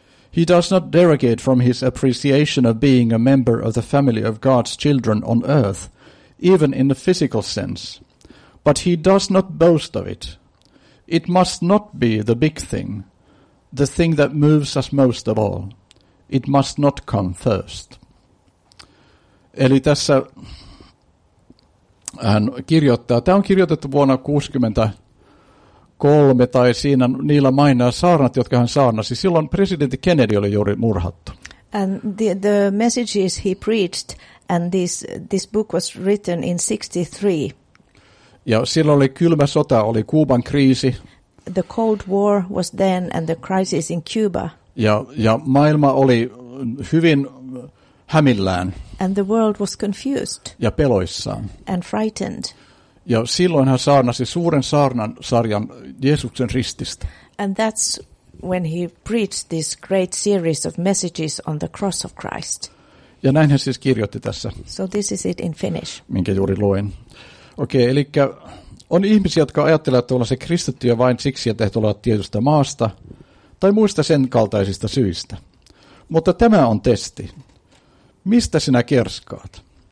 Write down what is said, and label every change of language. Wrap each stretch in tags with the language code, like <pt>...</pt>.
<en>He does not derogate from his appreciation of being a member of the family of God's children on earth, even in a physical sense. But he does not boast of it. It must not be the big thing, the thing that moves us most of all. It must not come first.</en> <fi>Eli tässä hän kirjoittaa, tämä on kirjoitettu vuonna 1963 tai siinä niillä mainaa saarnat, jotka hän saarnasi. Silloin presidentti Kennedy oli juuri murhattu.</fi> <en>And the messages he preached and this book was written in 63.</en> <fi>Ja silloin oli kylmä sota, oli Kuuban kriisi.</fi> <en>The Cold War was then and the crisis in Cuba.</en> <fi>Ja maailma oli hyvin hämillään.</fi> <en>And the world was confused.</en> <fi>Ja peloissaan.</fi> <en>And frightened.</en> <fi>Ja silloin hän saarnasi suuren saarnan sarjan Jeesuksen rististä.</fi> <en>And that's when he preached this great series of messages on the cross of Christ.</en> <fi>Ja näin hän siis kirjoitti tässä.</fi> <en>So this is it in Finnish.</en> <fi>Minkä juuri luin. Okei, eli on ihmisiä, jotka ajattelevat olla se kristittyjä vain siksi, että he tulevat tietystä maasta tai muista sen kaltaisista syistä. Mutta tämä on testi. Mistä sinä kerskaat?</fi>